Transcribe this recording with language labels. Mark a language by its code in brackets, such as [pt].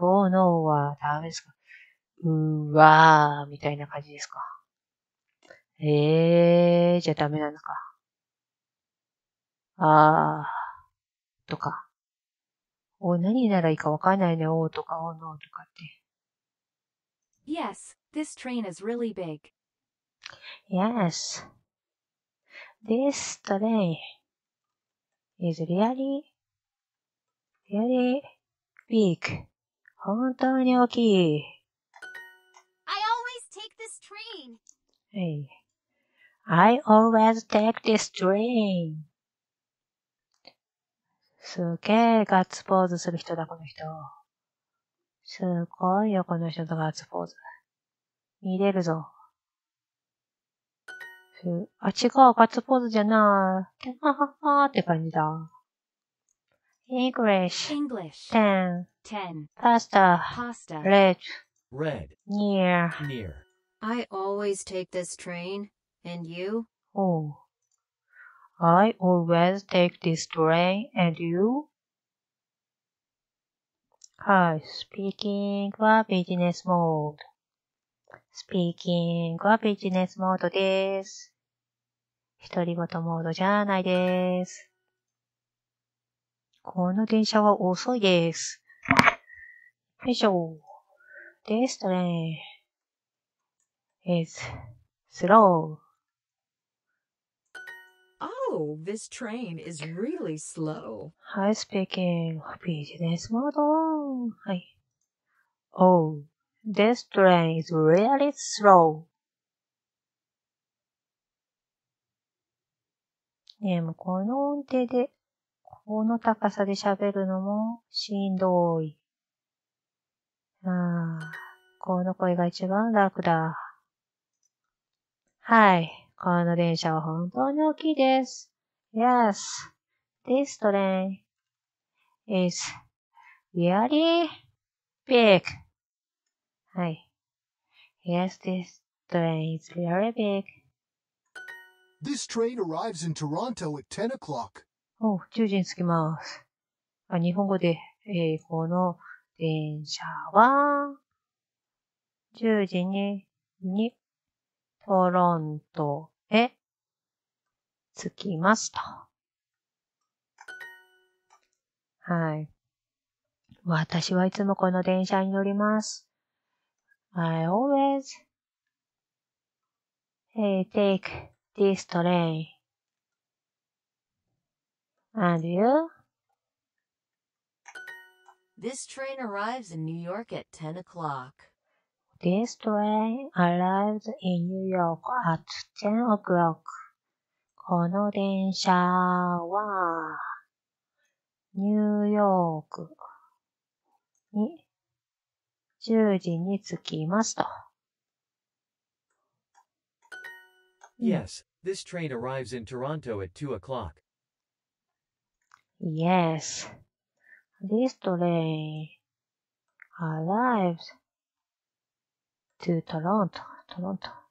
[en] Oh no [ja] はダメですか。うーわーみたいな感じですか。じゃあダメなのか。あーとか。お、何ならいいかわかんないね。 Oh とか Oh no とかって。 [en] Yes, this train is really big. Yes, this train. Is really, really big. [ja] 本当に大きい。 [en] I always take this train. Hey. I always take this train. [ja] すげえガッツポーズする人だ、この人。すごいよ、この人のガッツポーズ。見れるぞ。あ、違う、ガッツポーズじゃなぁ。キャハハハって感じだ。 [en] English. Ten. Pasta. Red. Red. Near. I always take this train. And you? Oh. I always take this train. And you? Hi, speaking [ja] は [en] business mode. Speaking [ja] は [en] business mode [ja] です。独り言モードじゃないです。この電車は遅いです。よいしょ。 [en] This train is slow. Oh, this train is really slow. Hi, speaking business mode. [ja] はい。 [en] Oh, this train is really slow. [ja] ねえ、もうこの音程で、この高さで喋るのもしんどい。ああ、この声が一番楽だ。はい。この電車は本当に大きいです。 [en] Yes. This train is really big. [ja] はい。 [en] Yes, this train is very big. This train arrives in Toronto at 10 o'clock. [ja] おう、10時に着きます。あ、日本語で、この電車は、10時に、トロントへ着きますと。はい。私はいつもこの電車に乗ります。 [en] I always take this train. And you? This train arrives in New York at 10 o'clock. This train arrives in New York at 10 o'clock. [ja] この電車はニューヨークに10時に着きますと。 [en] Yes, this train arrives in Toronto at 2 o'clock. Yes, this train arrives to Toronto. Toronto.